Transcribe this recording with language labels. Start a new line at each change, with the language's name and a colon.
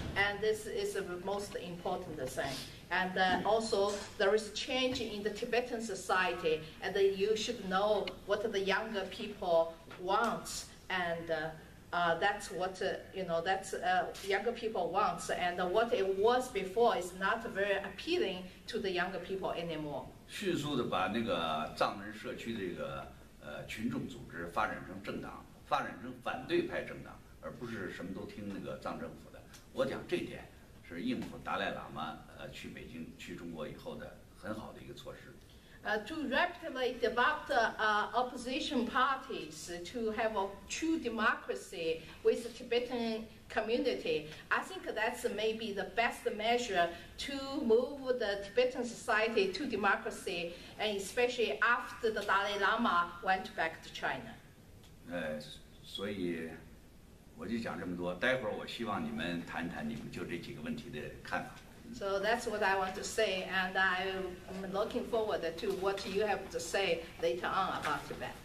English: And this is the most important thing. And also, there is change in the Tibetan society, and you should know what the younger people want. And that's what, you know, that's younger people want. And what it was before is not very appealing to the younger people anymore.
Chinese: 迅速地把那个藏人社区这个群众组织发展成政党，发展成反对派政党，而不是什么都听那个藏政府的。我讲这点是应付达赖喇嘛去北京去中国以后的很好的一个措施。
English: To rapidly develop the opposition parties to have a true democracy with the Tibetan community, I think that's maybe the best measure to move the Tibetan society to democracy, and especially after the Dalai Lama went back to China.
Chinese: 所以我就讲这么多，待会儿我希望你们谈谈你们就这几个问题的看法。
English: So that's what I want to say, and I'm looking forward to what you have to say later on about Tibet.